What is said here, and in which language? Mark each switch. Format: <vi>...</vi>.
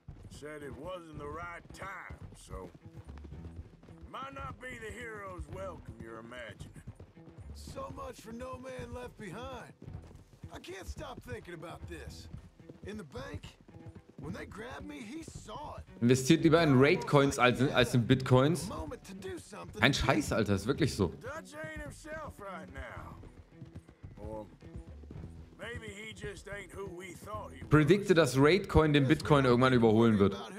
<en>Said it wasn't the right time, so. Might not be the hero's welcome you're imagining. So much for no man left behind. I can't stop thinking about this. In the bank, when they grabbed me, he saw it.</en> <de>Investiert lieber in Raid-Coins als in Bitcoins. Ein Scheiß, Alter, ist wirklich so.</de> <en>Dutch ain't himself right now. Or maybe he just ain't who we thought he was.</en> <de>Predicte, dass Raidcoin den Bitcoin irgendwann überholen wird.</de>